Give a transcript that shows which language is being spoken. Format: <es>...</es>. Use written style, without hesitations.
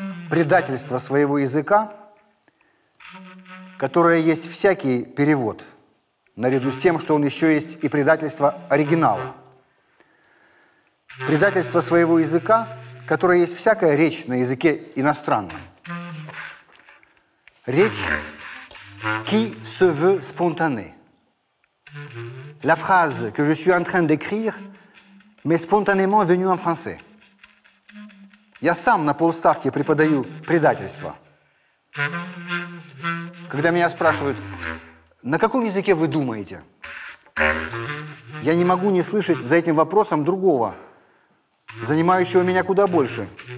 <ru>Предательство своего языка, которое есть всякий перевод, наряду с тем, что он еще есть и предательство оригинала. Предательство своего языка, которое есть всякая речь на языке иностранном. Речь</ru> <fr>«qui se veut spontanée». La phrase que je suis en train d'écrire, mais spontanément venue en français.</fr> <ru>Я сам на полставки преподаю предательство. Когда меня спрашивают, на каком языке вы думаете? Я не могу не слышать за этим вопросом другого, занимающего меня куда больше.</ru>